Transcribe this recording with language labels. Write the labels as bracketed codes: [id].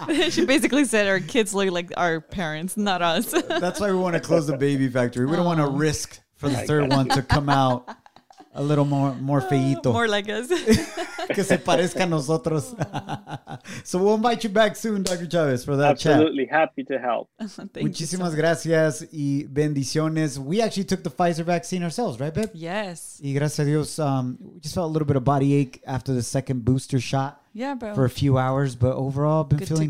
[en] She basically said our kids look like our parents, not us. That's why we want to close the baby factory. We don't want to risk for the third one to come out a little more feíto. More like us. [es] Que se parezca a nosotros. [en] So we'll invite you back soon, Dr. Chavez, for that Absolutely. Chat. Absolutely. Happy to help. Thank [es] Muchísimas [en] you so [es] gracias y bendiciones. [en] We actually took the Pfizer vaccine ourselves, right, babe? Yes. [es] Y gracias a Dios. [en] We just felt a little bit of body ache after the second booster shot. Yeah, bro. For a few hours, but overall, been good feeling